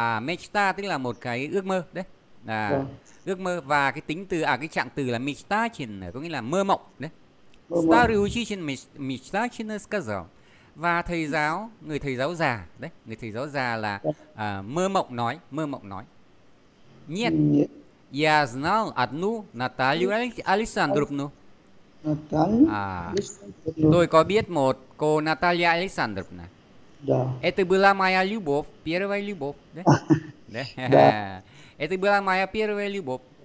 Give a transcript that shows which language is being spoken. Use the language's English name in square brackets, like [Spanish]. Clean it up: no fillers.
[Vietnamese] Mechta tức là một cái ước mơ đấy. À, ước mơ và cái tính từ cái trạng từ là Mechtachin có nghĩa là mơ mộng đấy. Staryuchichin, và thầy giáo, người thầy giáo già đấy, người thầy giáo già là mơ mộng nói, mơ mộng nói. [Russian] Нет. Я знал одну Наталью Александровну. Наталья. [Vietnamese] Tôi có biết một cô Наталья Александровна. [Russian] Это была моя любовь, первая любовь, đấy. [Vietnamese] Đấy. [Russian] Это была моя первая любовь.